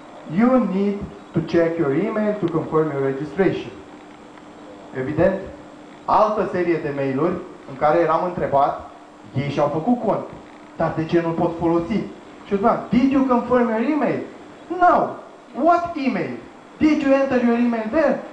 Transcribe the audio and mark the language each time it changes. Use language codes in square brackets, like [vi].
[en] You need to check your email to confirm your registration. [ro] Evident, altă serie de mail-uri în care eram întrebat, ei și-au făcut cont, dar de ce nu-l pot folosi? Și eu spuneam, [en] did you confirm your email? No. What email? Did you enter your email there?